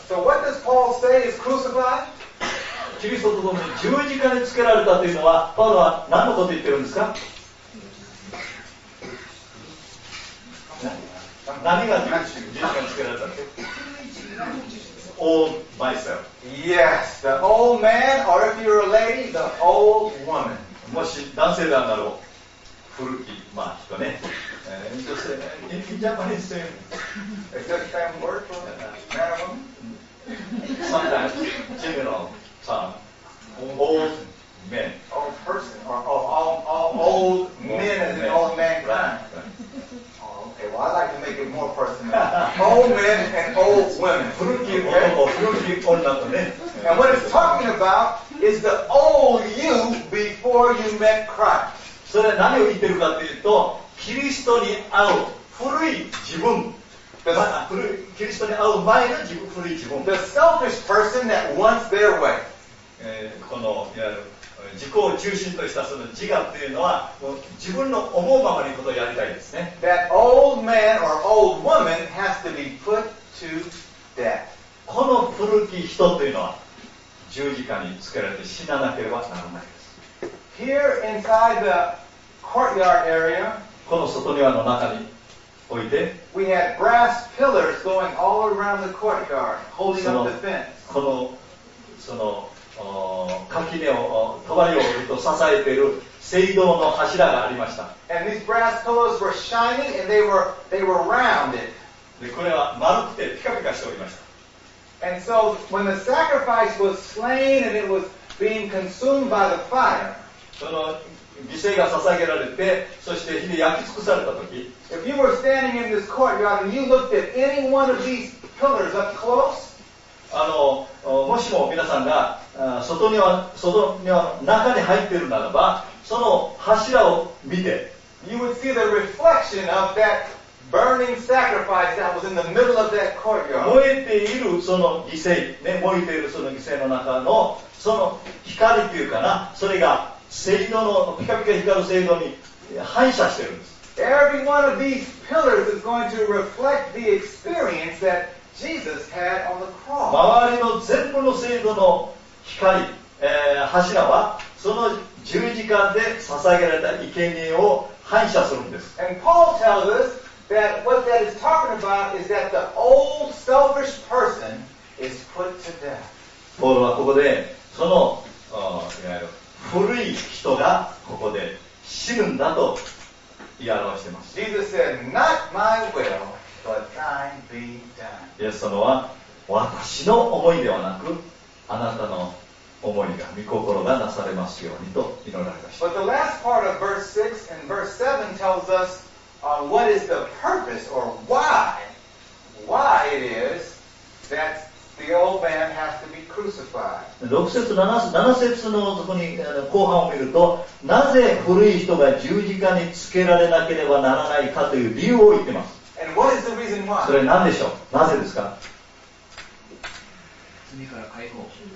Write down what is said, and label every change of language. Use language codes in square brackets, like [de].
[en] So what does Paul say is crucified? [ja] キリストと共に十字架につけられたというのは、パウロは何のこと言ってるんですか？何が十字架につけられたんですか？ [en] Old myself. Yes, the old man, or if you're a lady, the old woman. [ja] もし男性であるだろう。古き、まあ、人ね。女性、 [en] in Japanese saying, is that the same word for man or woman? Sometimes, general term, old men. Old person, or old men as in old mankind. Okay, well, I'd like to make it more personal. Old men and old women. [ja] 古き男、古き女とね。 [en] And what it's talking about is the old you before you met Christ. [ja] それは何を言ってるかというと、キリストに会う古い自分、まあ、古いキリストに会う前の自分、古い自分、 [en] The selfish person that wants their way、 [ja] このいわゆる自己を中心としたその自我というのは、自分の思うままにことをやりたいですね。 [en] That old man or old woman has to be put to death。 [ja] この古き人というのは十字架につけられて死ななければならない。 [en] Here inside the courtyard area, [ja] この外庭の中に置いて、 [en] we had brass pillars going all around the courtyard, holding up the fence. [ja] このその垣根を帳をずっと支えている青銅の柱がありました。 [en] And these brass pillars were shiny and they were rounded. [ja] でこれは丸くてピカピカしておりました。 [en] And so when the sacrifice was slain and it was being consumed by the fire. [ja] その犠牲が捧げられて、そして火で焼き尽くされたとき、 [en] If you were standing in this courtyard and you looked at any one of these pillars up close, [ja] もしも皆さんが外庭の中に入っているならば、その柱を見て、 [en] you would see the reflection of that burning sacrifice that was in the middle of that courtyard. [ja] 燃えているその犠牲、ね、燃えているその犠牲の中のその光というかな、それが聖堂のピカピカ光る聖堂に反射しているんです。 [en] Every one of these pillars is going to reflect the experience that Jesus had on the cross. [ja] 周りの全部の聖堂の光、柱はその十字架で捧げられた生贄を反射するんです。 [en] And Paul tells us that what that is talking about is that the old selfish person is put to death. [ja] ポールはここでそのいわゆる古い人がここで死ぬんだと言い表しています。 [en] Jesus said, Not my will, but thine be done. [ja] イエス様は私の思いではなく、あなたの思いが、御心がなされますようにと祈られました。 [en] But the last part of verse 6 and verse 7 tells us what is the purpose or why it is that the old man has to be crucified. [ja] 6節7節のそこに後半を見ると、なぜ古い人が十字架につけられなければならないかという理由を言っています。 [en] And what is the reason why? [ja] それ何でしょう、なぜですか。罪から解放、